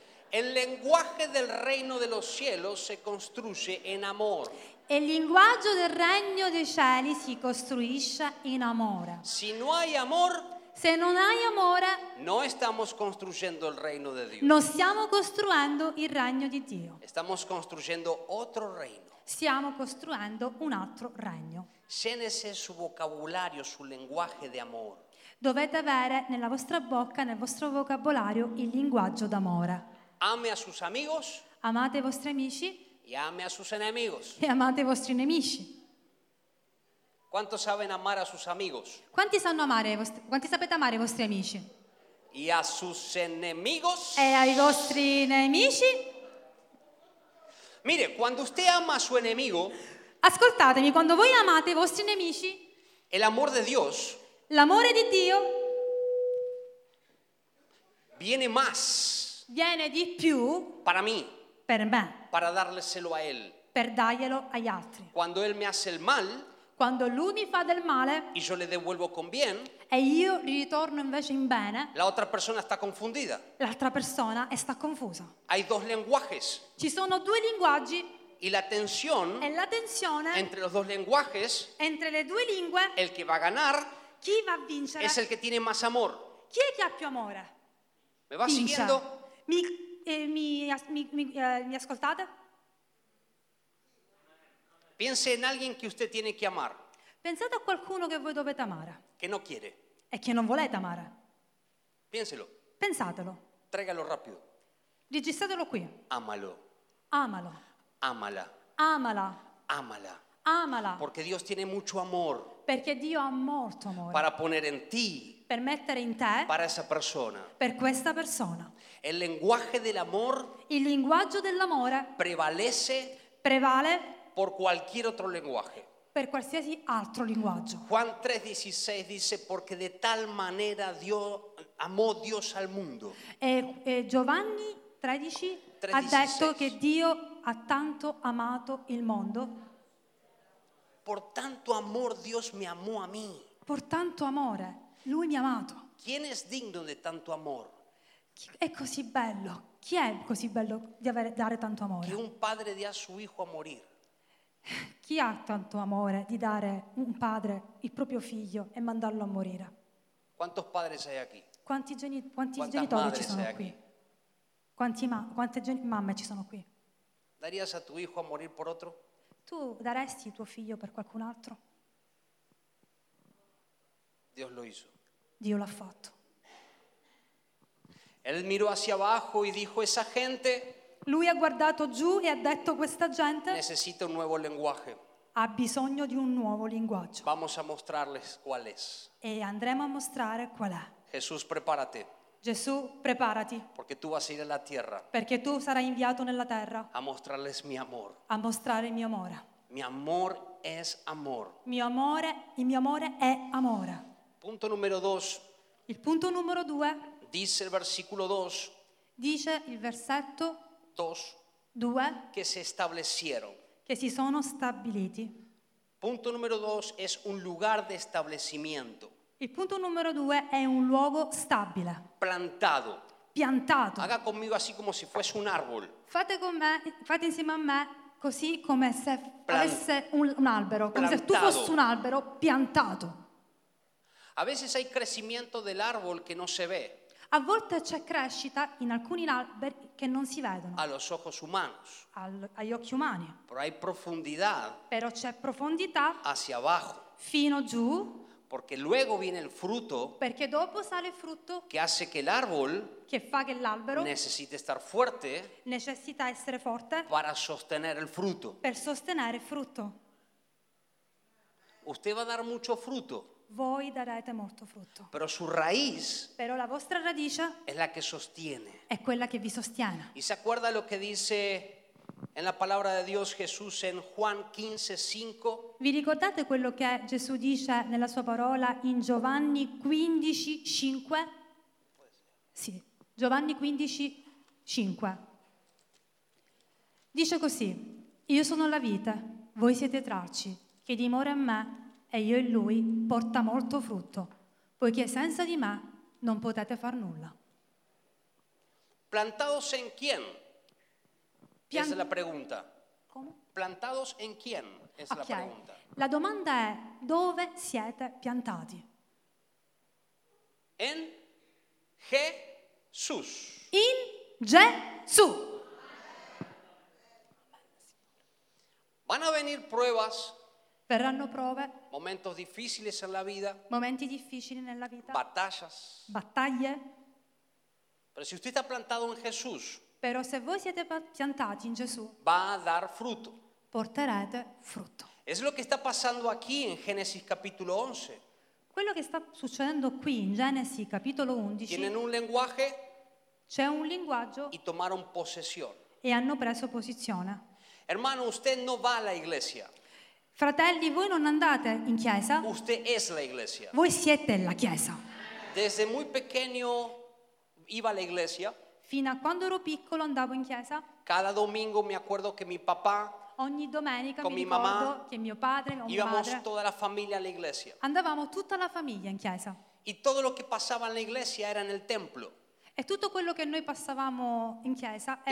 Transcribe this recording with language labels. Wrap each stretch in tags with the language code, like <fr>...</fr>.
<es>El lenguaje del reino de los cielos se construye en amor.</es> <it>El linguaggio del regno dei cieli si costruisce in amore.</it> <es>Si no hay amor.</es> <it>Se non hai amore,</it> <es>no estamos construyendo el reino de Dios.</es> <it>No stiamo costruendo il regno di Dio.</it> <es>Estamos construyendo otro reino.</es> <it>Stiamo costruendo un altro regno.</it> <es>Llénese su vocabulario, su lenguaje de amor.</es> <it>Dovete avere nella vostra bocca, nel vostro vocabolario, il linguaggio d'amore.</it> <es>Ame a sus amigos.</es> <it>Amate i vostri amici.</it> <es>Y ame a sus enemigos.</es> <it>E amate i vostri nemici.</it> <es>¿Cuántos saben amar a sus amigos?</es> <it>Quanti sanno amare quanti sapete amare i vostri amici?</it> <es>Y a sus enemigos.</es> <it>E ai vostri nemici?</it> <es>Mire, cuando usted ama a su enemigo.</es> <it>Ascoltatemi, quando voi amate i vostri nemici.</it> <es>El amor de Dios.</es> <it>L'amore di Dio.</it> <es>Viene más.</es> <it>Viene di più.</it> <es>Para mí.</es> <it>Per me.</it> <es>Para dárselo a él.</es> <it>Per darglielo agli altri.</it> <es>Cuando él me hace el mal.</es> <it>Quando lui mi fa del male,</it> <es>y yo le devuelvo con bien,</es> <it>e io ritorno invece in bene,</it> <es>la otra persona está confundida.</es> <it>L'altra persona está confusa.</it> <es>Hay dos lenguajes.</es> <it>Ci sono due linguaggi.</it> <es>Y la tensión.</es> <it>E la tensione.</it> <es>Entre los dos lenguajes.</es> <it>Entre le due lingue.</it> <es>El que va a ganar.</es> <it>Chi va a vincere?</it> <es>Es el que tiene más amor.</es> <it>Chi è che ha più amore?</it> <es>Me va</es> <it>Vince.</it> <es>Siguiendo.</es> <it>Mi ascoltate?</it> <es>Piense en alguien que usted tiene que amar.</es> <it>Pensate a qualcuno che voi dovete amare.</it> <es>Que no quiere.</es> <it>E che non volete amare.</it> <es>Piénselo.</es> <it>Pensatelo.</it> <es>Tráigalo rápido.</es> <it>Registratelo qui.</it> <es>Amalo.</es> <it>Amalo.</it> <es>Amala.</es> <it>Amala.</it> <es>Amala.</es> <it>Amala.</it> <es>Porque Dios tiene mucho amor.</es> <it>Perché Dio ha molto amore.</it> <es>Para poner en ti.</es> <it>Per mettere in te.</it> <es>Para esa persona.</es> <it>Per questa persona.</it> <es>El lenguaje del amor.</es> <it>Il linguaggio dell'amore.</it> <es>Prevalece.</es> <it>Prevale.</it> <es>Por cualquier otro lenguaje.</es> <it>Per qualsiasi altro linguaggio.</it> <es>Juan 3:16 dice porque de tal manera Dios amó Dios al mundo.</es> <it>E Giovanni 13 ha detto che Dio ha tanto amato il mondo.</it> <es>Por tanto amor Dios me amó a mí. Por tanto</es> <it>amore lui mi ha amato.</it> <es>¿Quién es digno de tanto amor?</es> <it>È così bello. Chi è così bello di avere dare tanto amore?</it> <es>Que un padre dia su hijo a morir.</es> <it>Chi ha tanto amore di dare un padre il proprio figlio e mandarlo a morire?</it> <es>Quantos padres hay aquí?</es> <it>Quanti genitori ci sono qui? Quante mamme ci sono qui?</it> <es>Darías a tu hijo a morir por otro?</es> <it>Tu daresti tuo figlio per qualcun altro?</it> <es>Dios lo hizo.</es> <it>Dio l'ha fatto.</it> <es>Él miró hacia abajo y dijo esa gente.</es> <it>Lui ha guardato giù e ha detto questa gente</it> <es>necesita un nuevo lenguaje.</es> <it>Ha bisogno di un nuovo linguaggio.</it> <es>Vamos a mostrarles cuál es.</es> <it>E andremo a mostrare qual è.</it> <es>Jesús, prepárate.</es> <it>Gesù, preparati.</it> <es>Porque tú vas a ir a la tierra.</es> <it>Perché tu sarai inviato nella terra.</it> <es>A mostrarles mi amor.</es> <it>A mostrare il mio amore.</it> <es>Mi amor es amor.</es> <it>Mio amore, il mio amore è amore.</it> <es>Punto numero 2.</es> <it>Il punto numero 2. Dice il versículo 2. Dice il versetto</it> <es>2.</es> <it>2 che si</it> <es>establecieron.</es> <it>Che si sono stabiliti.</it> <es>Punto numero 2 es un lugar de establecimiento.</es> <it>Il punto numero 2 è un luogo stabile.</it> <es>Plantado.</es> <it>Piantato.</it> <es>Haga conmigo así como si fuese un árbol.</es> <it>Fate con me, fate insieme a me così come se fosse un albero,</it> <es>plantado.</es> <it>Come se tu fossi un albero piantato.</it> <es>A veces hay crecimiento del árbol que no se ve.</es> <it>A volte c'è crescita in alcuni alberi che non si vedono.</it> <es>A los ojos humanos.</es> <it>Agli occhi umani.</it> <es>Pero hay profundidad.</es> <it>Però c'è profondità.</it> <es>Hacia abajo.</es> <it>Fino giù.</it> <es>Porque luego viene el fruto.</es> <it>Perché dopo sale il frutto.</it> <es>Que hace que el árbol.</es> <it>Che fa che l'albero.</it> <es>Necesite estar fuerte.</es> <it>Necesita essere forte.</it> <es>Para sostener el fruto.</es> <it>Per sostenere il frutto.</it> <es>Usted va a dar mucho fruto.</es> <it>Voi darete molto frutto.</it> <es>Pero su raíz.</es> <it>Però la vostra radice.</it> <es>Es la que sostiene.</es> <it>È quella che vi sostiene.</it> <es>Y se acuerda lo que dice en la palabra de Dios Jesús en Juan 15:5.</es> <it>Vi ricordate quello che Gesù dice nella sua parola in Giovanni 15:5? Sì, Giovanni 15:5. Dice così: io sono la vita, voi siete tracci. Chi dimora in me e io in lui porta molto frutto, poiché senza di me non potete far nulla.</it> <es>Plantados en quién? Esa es la pregunta.</es> <it>Come?</it> <es>Plantados en quién? Es okay. La pregunta.</es> <it>La domanda è: dove siete piantati?</it> <es>En Jesús.</es> <it>In Gesù.</it> <es>Van a venir pruebas.</es> <it>Verranno prove.</it> <es>Momentos difíciles en la vida.</es> <it>Momenti difficili nella vita.</it> <es>Batallas.</es> <it>Battaglie.</it> <es>Pero si usted está plantado en Jesús.</es> <it>Però se voi siete piantati in Gesù.</it> <es>Va a dar fruto.</es> <it>Porterete frutto.</it> <es>Es lo que está pasando aquí en Génesis capítulo 11.</es> <it>Quello che sta succedendo qui in Genesi capitolo 11.</it> <es>Tienen un lenguaje.</es> <it>C'è un linguaggio.</it> <es>Y tomaron posesión.</es> <it>E hanno preso posizione.</it> <es>Hermano, usted no va a la iglesia.</es> <it>Fratelli, voi non andate in chiesa.</it> <es>Usted es la iglesia.</es> <it>Voi siete la chiesa.</it> <es>Desde muy pequeño iba a la iglesia.</es> <it>Fino a quando ero piccolo andavo in chiesa.</it> <es>Cada domingo me acuerdo que mi papá.</es> <it>Ogni domenica con mi ricordo che mio padre, mio</it> <es>íbamos</es> <it>madre.</it> <es>Toda la familia a la iglesia.</es> <it>Andavamo tutta la famiglia in chiesa.</it> <es>Y todo lo que pasaba en la iglesia era en el templo.</es> <it>E tutto quello che noi passavamo in chiesa era.</it>